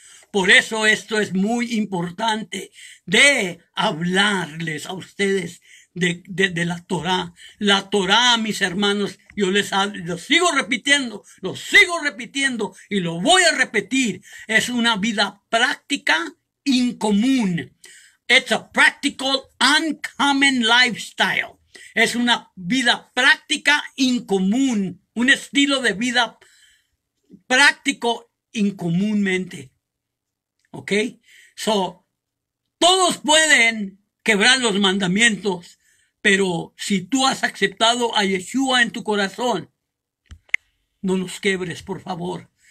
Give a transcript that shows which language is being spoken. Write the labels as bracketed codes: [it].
[es] Por eso esto es muy importante de hablarles a ustedes de la Torá. La Torá, mis hermanos, yo les hablo, lo sigo repitiendo, lo sigo repitiendo y lo voy a repetir. Es una vida práctica incomún. [en] It's a practical, uncommon lifestyle. [es] Es una vida práctica incomún, un estilo de vida práctico incomúnmente. ¿Ok? So, todos pueden quebrar los mandamientos, pero si tú has aceptado a Yeshua en tu corazón, no los quiebres, por favor.